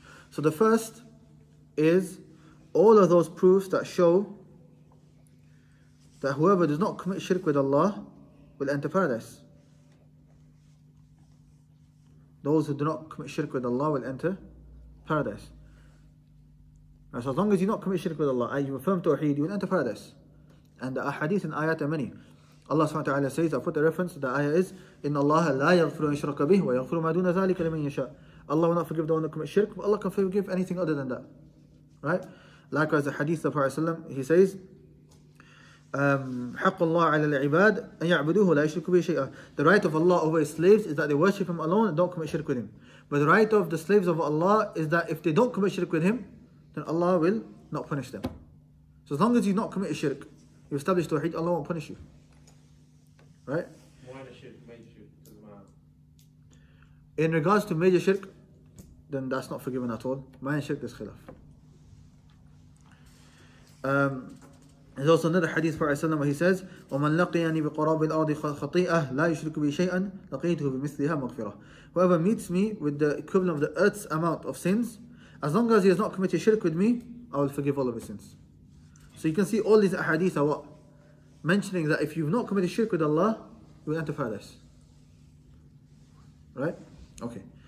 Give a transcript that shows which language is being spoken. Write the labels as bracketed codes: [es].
[en] So the first is all of those proofs that show that whoever does not commit shirk with Allah will enter paradise. Those who do not commit shirk with Allah will enter paradise. So as long as you not commit shirk with Allah, and you affirm tawheed, you will enter paradise. And the ahadith and ayat are many. Allah subhanahu wa ta'ala says, I put the reference, the ayah is, [ar] إِنَّ اللَّهَ لَا يَغْفِرُ أَنْ شِرَكَ بِهِ وَيَغْفِرُ مَا دُونَ ذَلِكَ لَمَنْ يَشَاءُ. [en] Allah will not forgive the one who commits shirk, but Allah can forgive anything other than that. Right? Likewise, the hadith of Prophet ﷺ, he says, [ar] حَقُّ اللَّهُ عَلَى الْعِبَادِ أَنْ يَعْبُدُوهُ لَا يَشْرِكُ بِهِ شَيْئًا. [en] The right of Allah over his slaves is that they worship him alone and don't commit shirk with him. But the right of the slaves of Allah is that if they don't commit shirk with him, then Allah will not punish them. So as long as you not commit a shirk, you establish tawheed, Allah won't punish you. Right? Minor shirk, major shirk, doesn't matter. In regards to major shirk, then that's not forgiven at all. Minor shirk is khilaf. There's also another hadith for Prophet where he says, [ar] وَمَنْ لَقِيَنِي بِقُرَابِ الْأَرْضِ خَطِيئَةً لَا يُشْرِكُ بِي شَيْئًا لَقِيْتُهُ بِمِثْلِهَا مَغْفِرَةً. [en] Whoever meets me with the equivalent of the earth's amount of sins, as long as he has not committed shirk with me, I will forgive all of his sins. So you can see all these ahadith are what? Mentioning that if you've not committed shirk with Allah, you will enter paradise. Right? Okay.